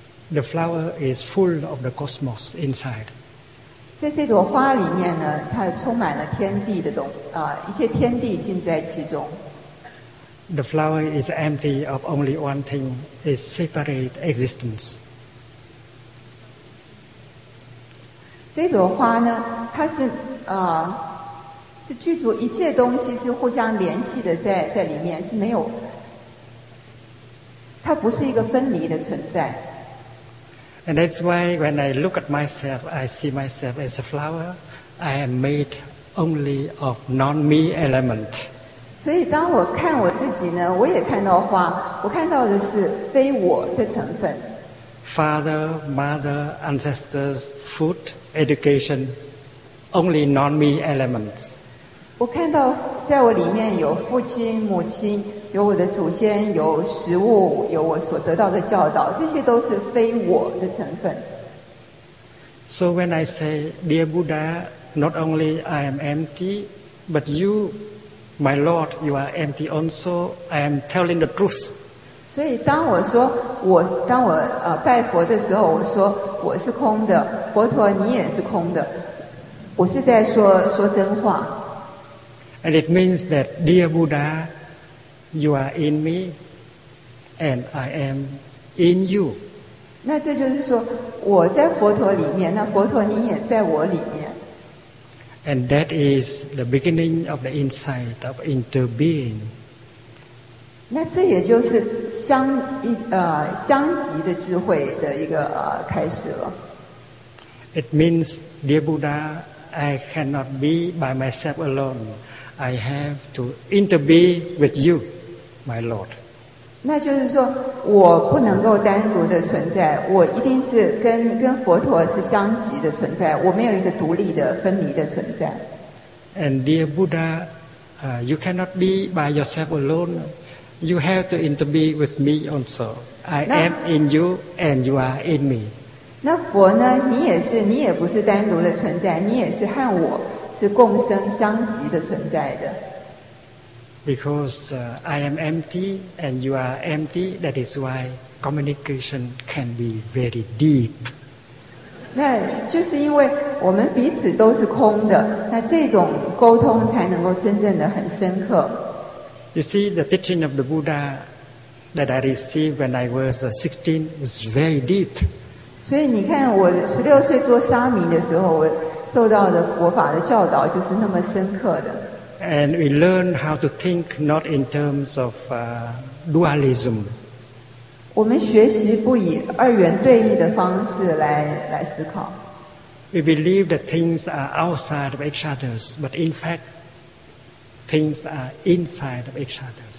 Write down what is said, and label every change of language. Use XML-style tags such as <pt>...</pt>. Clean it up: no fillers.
<en>The flower is full of the cosmos inside.</en> <zh>在这朵花里面呢，它充满了天地的东啊，一些天地浸在其中。</zh> <en>The flower is empty of only one thing, is separate existence.</en> <zh>这朵花呢，它是啊、是具足一切东西是互相联系的在里面，是没有，它不是一个分离的存在。</zh> <en>And that's why when I look at myself, I see myself as a flower. I am made only of non-me element.</en> <zh>所以当我看我自己呢，我也看到花，我看到的是非我的成分。</zh> <en>Father, mother, ancestors, food, education, only non-me elements.</en> <zh>我看到在我里面有父亲、母亲，有我的祖先，有食物，有我所得到的教导，这些都是非我的成分。</zh> <en>So when I say, dear Buddha, not only I am empty, but you, my Lord, you are empty also. I am telling the truth.</en> <zh>所以当我说我当我拜佛的时候，我说我是空的，佛陀你也是空的，我是在说真话。</zh> <en>And it means that, dear Buddha. You are in me, and I am in you.</en> <zh>那这就是说，我在佛陀里面，那佛陀你也在我里面。</zh> <en>And that is the beginning of the insight of interbeing.</en> <zh>那这也就是相即的智慧的一个开始了。</zh> <en>It means, dear Buddha, I cannot be by myself alone. I have to interbe with you. My Lord.</en> <zh>那就是说我不能够单独的存在，我一定是跟佛陀是相即的存在，我没有一个独立的分离的存在。</zh> <en>And dear Buddha, you cannot be by yourself alone. You have to interbe with me also. I am in you and you are in me.</en> <zh>那佛呢，你也不是单独的存在，你也是和我是共生相即的存在的。</zh> <en>Because I am empty and you are empty, that is why communication can be very deep.</en> <zh>那就是因为我们彼此都是空的，那这种沟通才能够真正的很深刻。</zh> <en>You see, the teaching of the Buddha that I received when I was 16 was very deep.</en> <zh>所以你看，我16岁做沙弥的时候，我受到的佛法的教导就是那么深刻的。</zh> <en>And we learn how to think not in terms of dualism.</en> <zh>我们学习不以二元对立的方式来思考。</zh> <en>We believe that things are outside of each other, but in fact, things are inside of each other.</en>